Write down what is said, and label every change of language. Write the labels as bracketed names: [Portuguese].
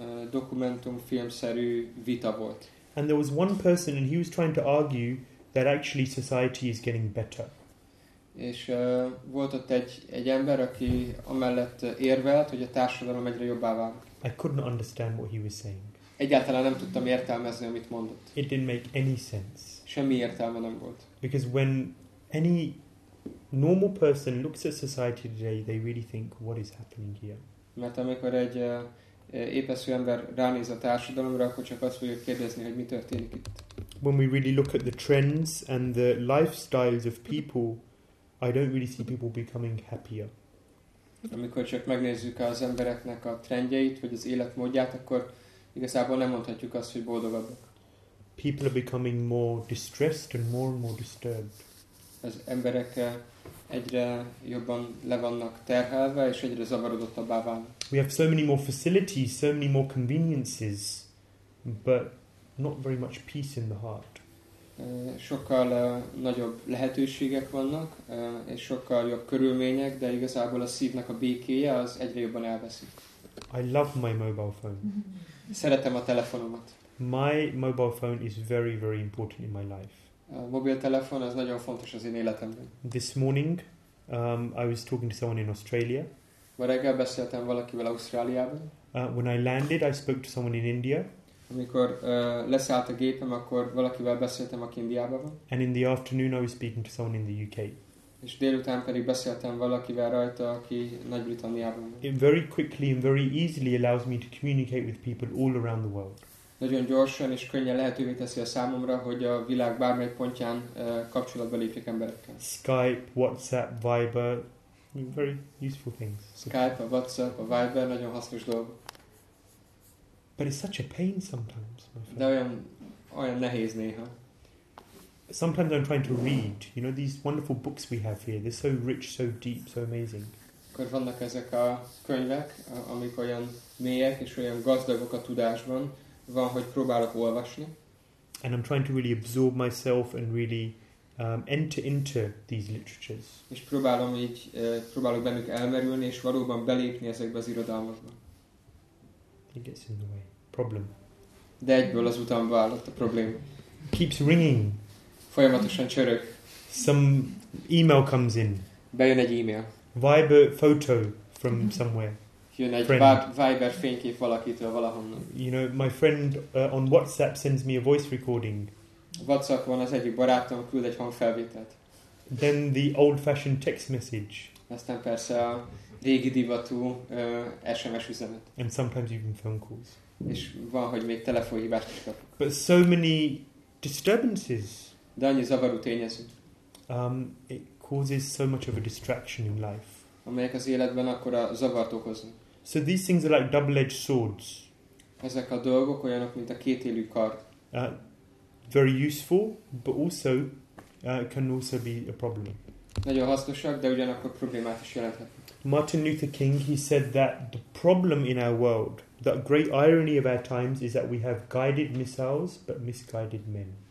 [Hungarian] dokumentumfilmszerű vita volt. [English] And there was one person and he was trying to argue that actually society is getting better. [Hungarian] És volt ott egy ember, aki amellett érvelt, hogy a társadalom egyre jobbá vált. [English] I couldn't understand what he was saying. [Hungarian] Egyáltalán nem tudtam értelmezni, amit mondott. [English] It didn't make any sense. [Hungarian] Semmi értelme nem volt. [English] Because when any normal person looks at society today, they really think, what is happening here? [Hungarian] Mert amikor egy épeszű ember ránéz a társadalomra, akkor csak azt fogja kérdezni, hogy mi történik itt. [English] When we really look at the trends and the lifestyles of people, I don't really see people becoming happier. [Hungarian] Amikor csak megnézzük az embereknek a trendjeit, vagy az életmódját, akkor igazából nem mondhatjuk azt, hogy boldogabbak. [English] People are becoming more distressed and more disturbed. [Hungarian] Az emberek egyre jobban le vannak terhelve, és egyre zavarodottabbá válnak. [English] We have so many more facilities, so many more conveniences, but not very much peace in the heart. [Hungarian] Sokkal nagyobb lehetőségek vannak, és sokkal jobb körülmények, de igazából a szívnek a békéje az egyre jobban elveszik. [English] I love my mobile phone. [Hungarian] Szeretem a telefonomat. [English] My mobile phone is very, very important in my life. [Hungarian] A mobiltelefon az nagyon fontos az én életemben. [English] This morning, I was talking to someone in Australia. [Hungarian] Ma reggel beszéltem valakivel Ausztráliában. [English] When I landed, I spoke to someone in India. [Hungarian] Amikor leszállt a gépem, akkor valakivel beszéltem, aki Indiában van. [English] And in the afternoon I was speaking to someone in the UK. [Hungarian] És délután pedig beszéltem valakivel rajta, aki Nagy-Britanniában van. [English] It very quickly and very easily allows me to communicate with people all around the world. [Hungarian] Nagyon gyorsan és könnyen lehetővé teszi a számomra, hogy a világ bármely pontján kapcsolatba lépjek emberekkel. [English] Skype, WhatsApp, Viber, very useful things. [Hungarian] Skype, a WhatsApp, a Viber, nagyon hasznos dolgok. [English] But it's such a pain sometimes. [Hungarian] De olyan nehéz néha. [English] Sometimes I'm trying to read. You know, these wonderful books we have here. They're so rich, so deep, so amazing. [Hungarian] Akkor vannak ezek a könyvek, amik olyan mélyek és olyan gazdagok a tudásban. Van, hogy próbálok olvasni. [English] And I'm trying to really absorb myself and really enter into these literatures. [Hungarian] És próbálom így, próbálok bennük elmerülni és valóban belépni ezekbe az irodalmakba. [English] It gets in the way. Problem. [Hungarian] De egyből az után vállott a probléma. [English] Keeps ringing. [Hungarian] Folyamatosan csörög. [English] Some email comes in. [Hungarian] Bejön egy email. [English] Viber photo from somewhere. [Hungarian] Jön egy Viber fénykép valakitől valahonnan. [English] You know, my friend on WhatsApp sends me a voice recording. [Hungarian] WhatsAppon az egyik barátom küld egy hangfelvételt. [English] Then the old-fashioned text message. [Hungarian] Aztán persze a régi divatú SMS üzenet. [English] And sometimes even phone calls. [Hungarian] És van, hogy még telefonhívást is kap. [English] But so many disturbances. [Hungarian] De annyi zavaró tényező. [English] It causes so much of a distraction in life. [Hungarian] Amelyek az életben akkora zavart okoznak. [English] So these things are like double-edged swords. [Hungarian] Ezek a dolgok olyanok, mint a kétélű kard. [English] Very useful, but also can also be a problem. [Hungarian] Nagyon hasznosak, de ugyanakkor problémát is jelenthetnek. [English] Martin Luther King, he said that the problem in our world, the great irony of our times is that we have guided missiles but misguided men.